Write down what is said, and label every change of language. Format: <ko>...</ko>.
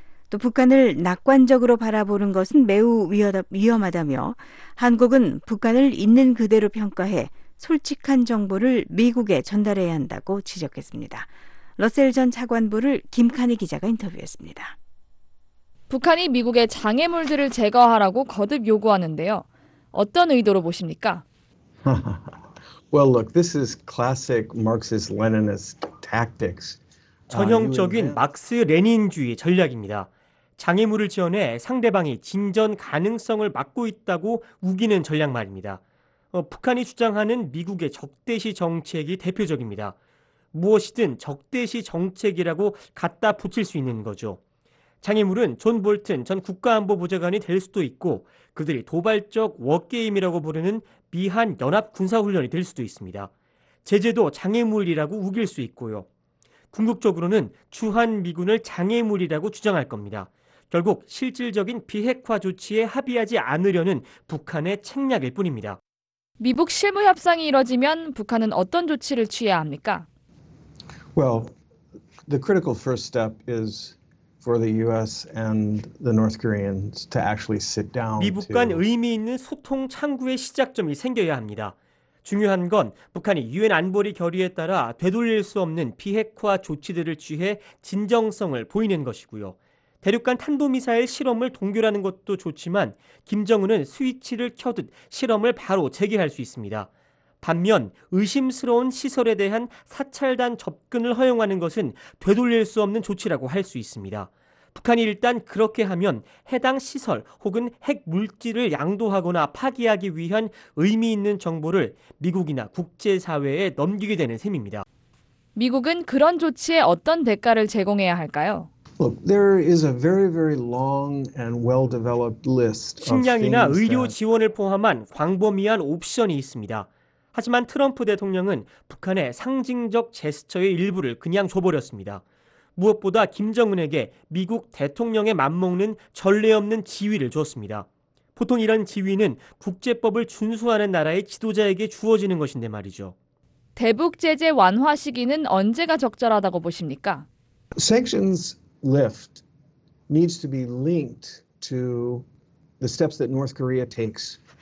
<ko>또 북한을 낙관적으로 바라보는 것은 매우 위험하다며 한국은 북한을 있는 그대로 평가해 솔직한 정보를 미국에 전달해야 한다고 지적했습니다. 러셀 전 차관보를 김카니 기자가 인터뷰했습니다. 북한이 미국의 장애물들을 제거하라고 거듭 요구하는데요. 어떤 의도로 보십니까?</ko> <en>Well, look, this is classic Marxist-Leninist tactics.</en> <ko>전형적인 마크스 레닌주의 전략입니다. 장애물을 지원해 상대방이 진전 가능성을 막고 있다고 우기는 전략 말입니다. 북한이 주장하는 미국의 적대시 정책이 대표적입니다. 무엇이든 적대시 정책이라고 갖다 붙일 수 있는 거죠. 장애물은 존 볼튼 전 국가안보보좌관이 될 수도 있고 그들이 도발적 워게임이라고 부르는 미한 연합군사훈련이 될 수도 있습니다. 제재도 장애물이라고 우길 수 있고요. 궁극적으로는 주한미군을 장애물이라고 주장할 겁니다. 결국 실질적인 비핵화 조치에 합의하지 않으려는 북한의 책략일 뿐입니다. 미북 실무 협상이 이뤄지면 북한은 어떤 조치를 취해야 합니까?</ko> <en>Well, the critical first step is for the US and the North Koreans to actually sit down.</en> <ko>미북 간 의미 있는 소통 창구의 시작점이 생겨야 합니다. 중요한 건 북한이 유엔 안보리 결의에 따라 되돌릴 수 없는 비핵화 조치들을 취해 진정성을 보이는 것이고요. 대륙간 탄도미사일 실험을 동결하는 것도 좋지만 김정은은 스위치를 켜듯 실험을 바로 재개할 수 있습니다. 반면 의심스러운 시설에 대한 사찰단 접근을 허용하는 것은 되돌릴 수 없는 조치라고 할 수 있습니다. 북한이 일단 그렇게 하면 해당 시설 혹은 핵 물질을 양도하거나 파괴하기 위한 의미 있는 정보를 미국이나 국제사회에 넘기게 되는 셈입니다. 미국은 그런 조치에 어떤 대가를 제공해야 할까요?</ko> <en>Look, there is a very, very long and well-developed list.</en> <ko>식량이나 의료 지원을 포함한 광범위한 옵션이 있습니다. 하지만 트럼프 대통령은 북한의 상징적 제스처의 일부를 그냥 줘버렸습니다. 무엇보다 김정은에게 미국 대통령에 맞먹는 전례 없는 지위를 줬습니다. 보통 이런 지위는 국제법을 준수하는 나라의 지도자에게 주어지는 것인데 말이죠. 대북 제재 완화 시기는 언제가 적절하다고 보십니까?</ko> <en>Sanctions lift needs to be linked to the steps that North Korea takes.</en>